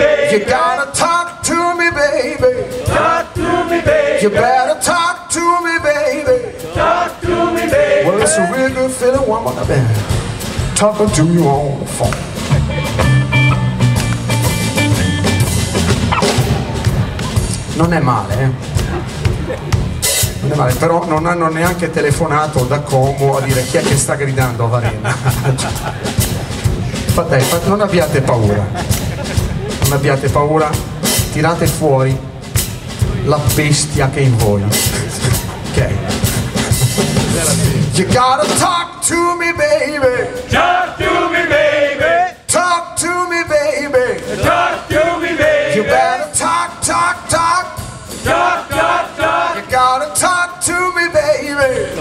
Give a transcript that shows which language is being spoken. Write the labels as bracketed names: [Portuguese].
[English] You gotta talk to me, baby. Talk to me, baby. You better talk to me, baby. Talk to me, baby. Well, it's a real good feeling when I've been talking to you on the phone. [Italian] Non è male, eh? Non è male, però non hanno neanche telefonato da Como a dire chi è che sta gridando a Varenna. Non abbiate paura, non abbiate paura, tirate fuori la bestia che è in voi. Ok. [English] You gotta talk to me, baby. Talk to me, baby. Talk to me, baby. Talk to me, baby. You better talk, talk, talk. Talk, talk, talk. You gotta talk to me, baby.